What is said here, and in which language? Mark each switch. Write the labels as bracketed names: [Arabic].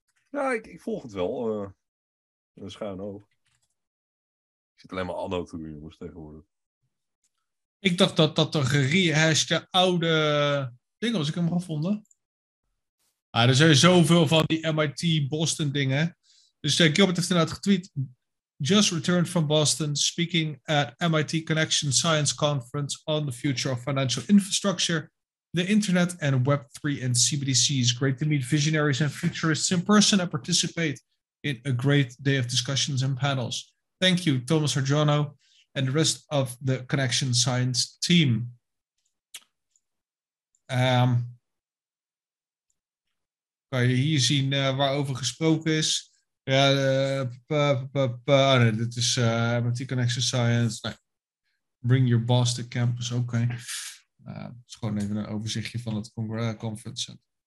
[Dutch] Ja, ik volg het wel. Schuin oog. Ik zit alleen maar anno te doen, jongens, tegenwoordig. Ik dacht dat een gerehashed oude ding was. Ik heb hem gevonden. Er zijn zoveel van die MIT Boston dingen. Dus Gilbert heeft inderdaad getweet. [English] Just returned from Boston, speaking at MIT Connection Science Conference on the future of financial infrastructure, the internet and Web3 and CBDCs. Great to meet visionaries and futurists in person and participate in a great day of discussions and panels. Thank you, Thomas Arjono, and the rest of the Connection Science team. [Dutch] Kan je hier zien waarover gesproken is? Ja, dit is MIT Connection Science. Nee. [English] Bring your boss to campus, oké. Okay. [Dutch] Het is gewoon even een overzichtje van het conference center.